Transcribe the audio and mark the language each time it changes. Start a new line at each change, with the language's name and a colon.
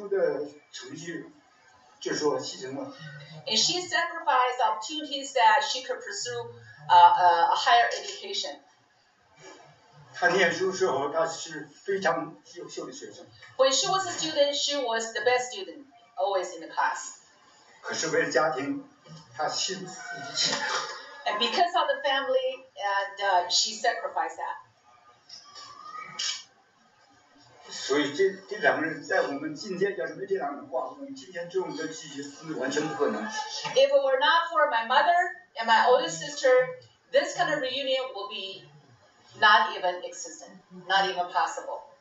Chinese: 她把自己念书的成绩就是说牺牲了。
English: And she sacrificed opportunities that she could pursue a higher education.
Chinese: 她念书时候她是非常优秀的学生。
English: When she was a student, she was the best student, always in the class.
Chinese: 可是为了家庭,
English: and because of the family, and she sacrificed that.
Chinese: 所以这两个人在我们今天要是没这两个人的话，我们今天这种的聚集是完全不可能。
English: If it were not for my mother and my older sister, this kind of reunion will be not even existent, not even possible.